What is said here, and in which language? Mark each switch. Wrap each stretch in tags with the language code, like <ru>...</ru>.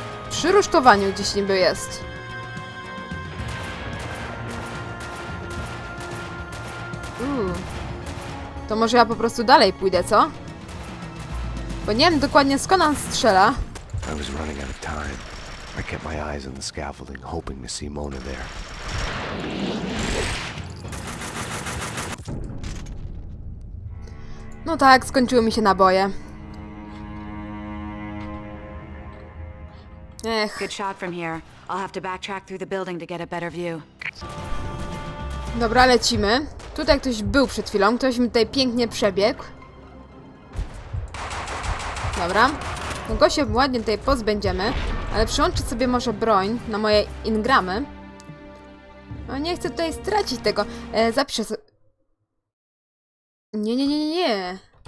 <pl>Przy rusztowaniu gdzieś niby jest. To może ja po prostu dalej pójdę, co? Bo nie wiem dokładnie skąd on strzela.</pl> <en>I was running out of time. I kept my eyes on the scaffolding, hoping to see Mona there.</en> <pl>No tak, skończyły mi się naboje.</pl> <en>Ech. Good shot from here. I'll have to backtrack through the building to get a better view.</en> <pl>Dobra, lecimy. Tutaj ktoś był przed chwilą. Ktoś mi tutaj pięknie przebiegł. Dobra. No go się ładnie tutaj pozbędziemy. Ale przyłączyć sobie może broń na moje ingramy. No nie chcę tutaj stracić tego. Zapiszę sobie. Nie.</pl>